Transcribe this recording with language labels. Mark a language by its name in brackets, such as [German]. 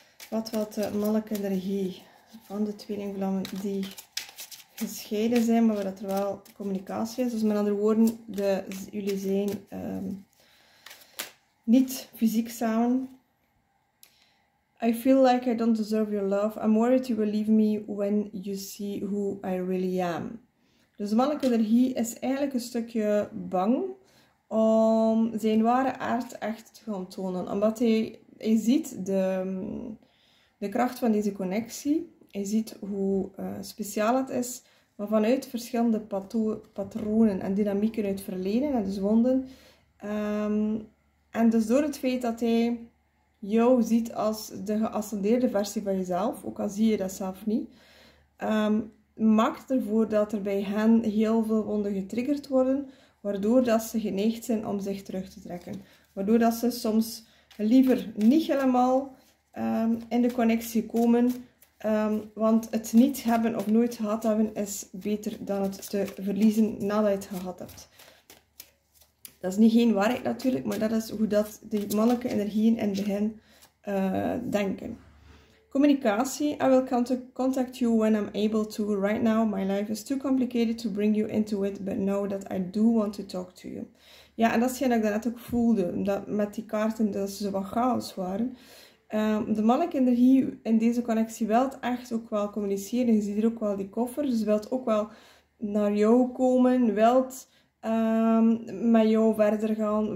[Dutch] Wat wil de mannelijke energie van de tweelingvlammen die gescheiden zijn, maar dat er wel communicatie is? Dus met andere woorden, jullie zijn niet fysiek samen. [English] I feel like I don't deserve your love. I'm worried you will leave me when you see who I really am. [Dutch] Dus de mannelijke energie is eigenlijk een stukje bang om zijn ware aard echt te gaan tonen. Omdat hij ziet de kracht van deze connectie. Hij ziet hoe speciaal het is. Maar vanuit verschillende patronen en dynamieken uit verleden en dus wonden. En dus door het feit dat hij jou ziet als de geascendeerde versie van jezelf, ook al zie je dat zelf niet, maakt ervoor dat er bij hen heel veel wonden getriggerd worden, waardoor dat ze geneigd zijn om zich terug te trekken. Waardoor dat ze soms liever niet helemaal in de connectie komen, want het niet hebben of nooit gehad hebben is beter dan het te verliezen nadat je het gehad hebt. Dat is niet geen waarheid natuurlijk, maar dat is hoe dat de mannelijke energieën in de hen denken. Communicatie. [English] I will contact you when I'm able to. Right now, my life is too complicated to bring you into it. But know that I do want to talk to you. [Dutch] Ja, en dat is wat ik daarnet ook voelde. Dat met die kaarten, dat ze zo wat chaos waren. De mannelijke energie in deze connectie wil echt ook wel communiceren. Je ziet er ook wel die koffer. Dus wil ook wel naar jou komen. Wil met jou verder gaan.